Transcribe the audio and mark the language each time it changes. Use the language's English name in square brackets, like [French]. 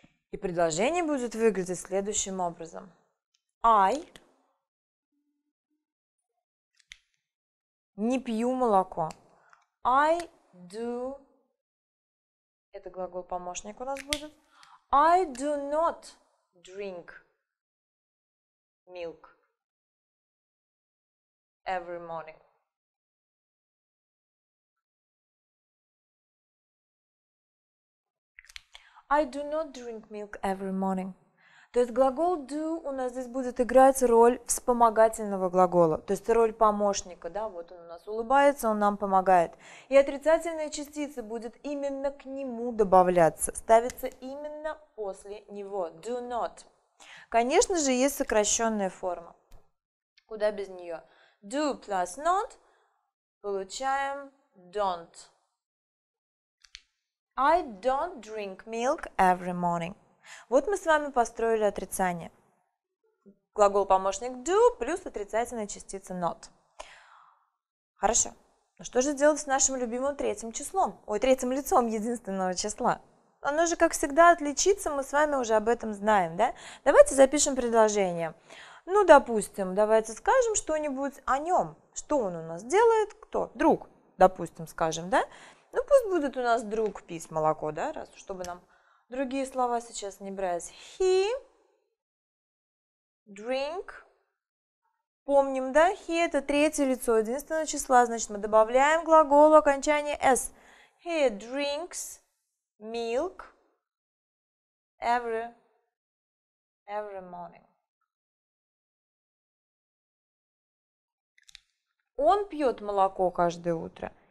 [Russian] И предложение будет выглядеть следующим образом. I не пью молоко. [English] I do... [Russian] Это глагол-помощник у нас будет. [English] I do not drink milk every morning. I do not drink milk every morning. [Russian] То есть глагол do у нас здесь будет играть роль вспомогательного глагола, то есть роль помощника, да, вот он у нас улыбается, он нам помогает. И отрицательная частица будет именно к нему добавляться, ставится именно после него, do not. Конечно же, есть сокращенная форма. Куда без нее? [English] Do plus not, получаем don't. I don't drink milk every morning. [Russian] Вот мы с вами построили отрицание. Глагол-помощник do плюс отрицательная частица not. Хорошо. Но что же делать с нашим любимым третьим числом? Ой, третьим лицом единственного числа. Оно же, как всегда, отличится, мы с вами уже об этом знаем, да? Давайте запишем предложение. Ну, допустим, давайте скажем что-нибудь о нем. Что он у нас делает? Кто? Друг, допустим, скажем, да? Ну, пусть будет у нас друг пить молоко, да, раз, чтобы нам другие слова сейчас не брать. [English] He drink. [Russian] Помним, да, he – это третье лицо единственного числа, значит, мы добавляем глагол окончание s. [English] He drinks milk every morning. [Russian] Он пьет молоко каждое утро.